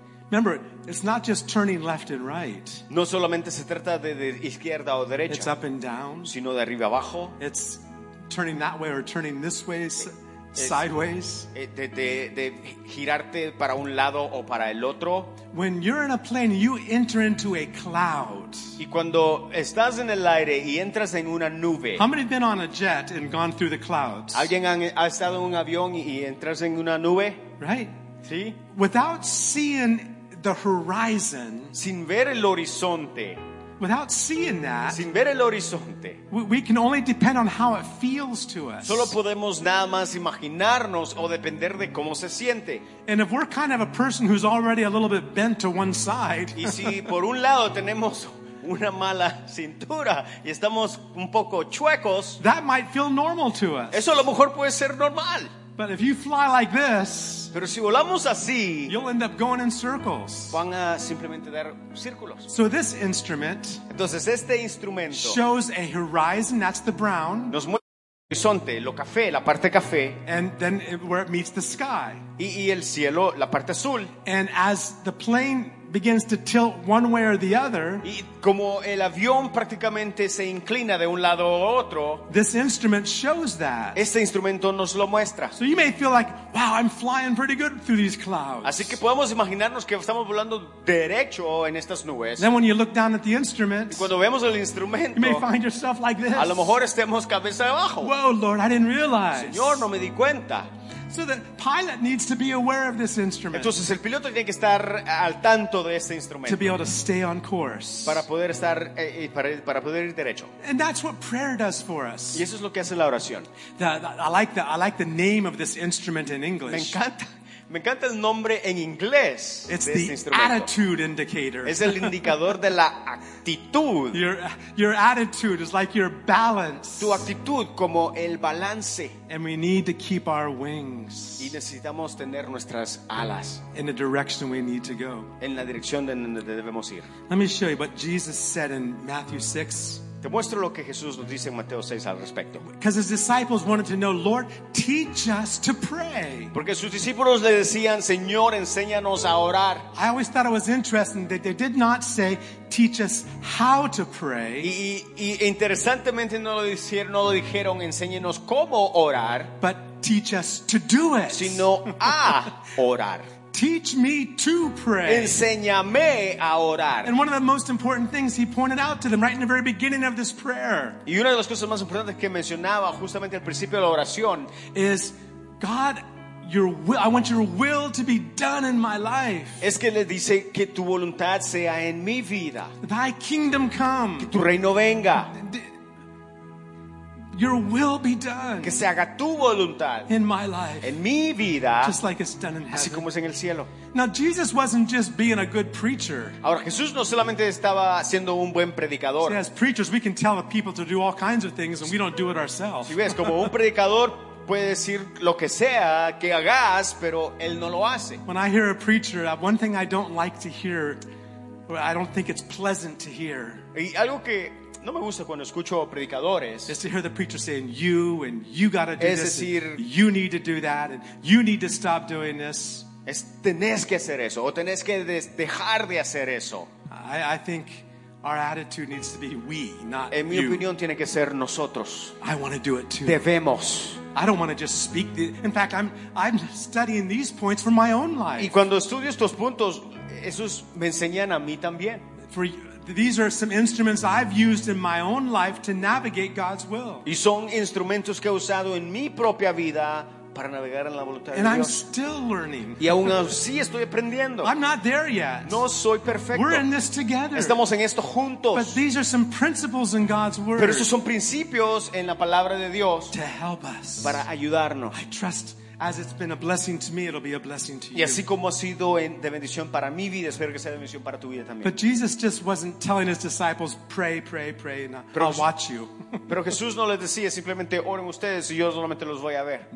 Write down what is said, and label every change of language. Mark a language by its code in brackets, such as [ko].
[en] remember, it's not just turning left and right. [es] No solamente se trata de izquierda o derecha. [en] It's up and down. [es] Sino de arriba abajo. [en] It's turning that way or turning this way, sideways. [es] De girarte para un lado o para el otro. [en] When you're in a plane, you enter into a cloud. [es] Y cuando estás en el aire y entras en una nube. [en] How many have been on a jet and gone through the clouds? [es] ¿Alguien ha estado en un avión y entras en una nube? [en] Right. [es] ¿Sí? [en] Without seeing the horizon, [es] sin ver el horizonte, [en] without seeing that, [es] sin ver el horizonte, [en] we can only depend on how it feels to us. [es] Solo podemos nada más imaginarnos o depender de cómo se siente. [en] And if we're kind of a person who's already a little bit bent to one side, [es] y si por un lado tenemos una mala cintura y estamos un poco chuecos, [en] that might feel normal to us. [es] Eso a lo mejor puede ser normal. [en] But if you fly like this, [es] pero si volamos así, [en] you'll end up going in circles. [es] Van a simplemente dar círculos. [en] So this instrument, [es] entonces este instrumento, [en] shows a horizon, that's the brown, [es] nos muestra el horizonte, lo café, la parte café, [en] and then where it meets the sky, [es] y el cielo, la parte azul. [en] And as the plane begins to tilt one way or the other, [es] y como el avión prácticamente se inclina de un lado a otro, [en] this instrument shows that. [es] Este instrumento nos lo muestra. [en] So you may feel like, wow, I'm flying pretty good through these clouds. [es] Así que podemos imaginarnos que estamos volando derecho en estas nubes. [en] Then when you look down at the instrument, [es] y cuando vemos el instrumento, [en] you may find yourself like this. [es] A lo mejor estemos cabeza abajo. [en] Whoa, Lord, I didn't realize. [es] Señor, no me di cuenta. [en] So the pilot needs to be aware of this instrument. [es] Entonces el piloto tiene que estar al tanto de este instrumento. [en] To be able to stay on course. [es] Para poder ir derecho. [en] And that's what prayer does for us. [es] Y eso es lo que hace la oración. [en] I like the name of this instrument in English. [es] Me encanta el nombre en inglés de este instrumento. [en] It's the attitude indicator. [es] Es el indicador de la actitud. [en] Your attitude is like your balance. [es] Tu actitud como el balance. [en] And we need to keep our wings. [es] Y necesitamos tener nuestras alas. [en] In the direction we need to go. [es] En la dirección de donde debemos ir. [en] Let me show you what Jesus said in Matthew 6. [es] Te muestro lo que Jesús nos dice en Mateo 6 al respecto. [en] Because his disciples wanted to know, Lord, teach us to pray. [es] Porque sus discípulos le decían, Señor, enséñanos a orar. [en] I always thought it was interesting that they did not say, teach us how to pray. [es] Y interesantemente no lo dijeron, enséñenos cómo orar. [en] But teach us to do it. [es] Sino a orar. [en] Teach me to pray. [es] Enséñame a orar. [en] And one of the most important things he pointed out to them right in the very beginning of this prayer. [es] Y una de las cosas más importantes que mencionaba justamente al principio de la oración [en] is God, your will, I want your will to be done in my life. [es] Es que le dice que tu voluntad sea en mi vida. [en] Thy kingdom come. [es] Que tu reino venga. [en] Your will be done. [es] Que se haga tu voluntad. [en] In my life. [es] En mi vida. [en] Just like it's done in heaven. [es] Así como es en el cielo. [en] Now Jesus wasn't just being a good preacher. [es] Ahora Jesús no solamente estaba siendo un buen predicador. [en] See, as preachers, we can tell the people to do all kinds of things and we don't do it ourselves. [es] Si ves, como un predicador puede decir lo que sea que hagas, pero él no lo hace. [en] When I hear a preacher, one thing I don't like to hear, or I don't think it's pleasant to hear. [es] Y algo que no me gusta cuando escucho predicadores. [en] Is to hear the preacher saying you and you gotta do [es] es decir, [en] this. You need to do that and you need to stop doing this. [es] Es tenés que hacer eso o tenés que dejar de hacer eso. [en] I think our attitude needs to be we, not [es] en mi [en] you. [es] Opinión tiene que ser nosotros. [en] I want to do it too. [es] Debemos. [en] I don't want to just speak. In fact, I'm studying these points for my own life. [es] Y cuando estudio estos puntos, esos me enseñan a mí también. [en] For you. These are some instruments I've used in my own life to navigate God's will. [es] Y son instrumentos que he usado en mi propia vida para navegar en la voluntad [en] and [es] de Dios. [en] And I'm still learning. [es] Y aún así estoy aprendiendo. [en] I'm not there yet. [es] No soy perfecto. [en] We're in this together. [es] Estamos en esto juntos. [en] But these are some principles in God's word. [es] Pero esos son principios en la palabra de Dios. [en] To help us. [es] Para ayudarnos. [en] I trust As it's been a blessing to me, it'll be a blessing to you. [es] Y así como ha sido de bendición para mi vida, espero que sea de bendición para tu vida también. [en] But Jesus just wasn't telling his disciples, pray, pray, pray, and I'll watch you. [es] Pero Jesús no les decía simplemente oren ustedes y yo solamente los voy a ver.